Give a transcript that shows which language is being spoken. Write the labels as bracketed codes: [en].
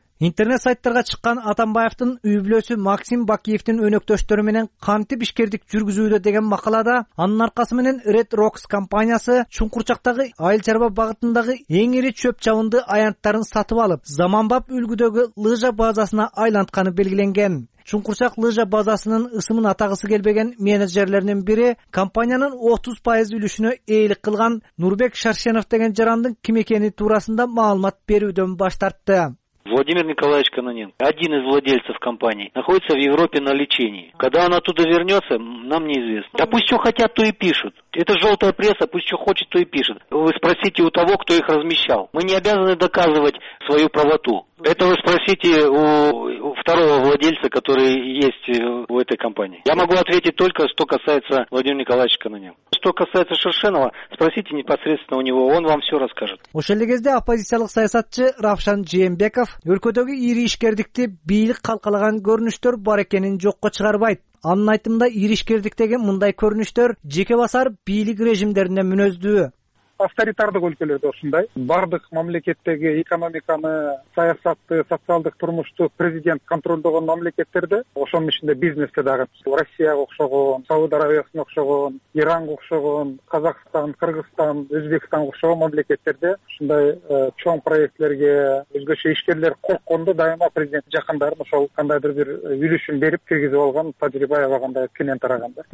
[ky] Интернет сайттарга чыккан Атамбаевдин үй-бүлөсү Максим Бакиевдин өнөктөштөрү менен кантип ишкердик жүргүзүүдө деген макалада анын аркасы менен Red Rocks компаниясы Чуңкурчактагы айыл чарба багытындагы эң ири чөп чабынды аянттарын сатып алып, заманбап үлгүдөгү лыжа базасына айлантканы белгиленген. Чуңкурчак лыжа базасынын ысымын атагысы келбеген менеджерлеринин бири компаниянын 30% үлүшүнө ээлик кылган Нурбек Шаршенов деген жарандын ким экени туурасында маалымат берүүдөн баш тартты. [ru] Владимир Николаевич Кононенко, один из владельцев компании, находится в Европе на лечении. Когда он оттуда вернется, нам неизвестно. Да пусть что хотят, то и пишут. Это желтая пресса, пусть что хочет, то и пишет. Вы спросите у того, кто их размещал. Мы не обязаны доказывать свою правоту. Это вы спросите у второго владельца, который есть в этой компании. Я могу ответить только, что касается Владимира Николаевича Кононенко. Что касается Шершенова, спросите непосредственно у него, он вам все расскажет. [ky] Ошол кезде оппозициялык саясатчы Равшан Жээнбеков өлкөдөгү ири ишкердикти бийлик калкалаган көрүнүштөр бар экенин жокко чыгарбайт. Анын айтымында ири ишкердиктеги мындай көрүнүштөр жеке басар бийлик режимдеринен мүнөздүү. Авторитардык өлкөлөрдө ушундай. Бардык мамлекеттеги экономиканы, саясатты, социалдык турмушту президент контролдогон мамлекеттерде, ошонун ичинде бизнесте дагы Россияга окшогон, Сауд Арабиясына окшогон, Иранга окшогон, Казакстан, Кыргызстан, Өзбекстанга окшогон мамлекеттерде ушундай чоң проектлерге өзгөчө ишкерлер коркконду дайыма президент жакындарын ошол кандайдыр бир үлүшүн берип киргизип алган тажрыйба аябагандай кенен тарагандар.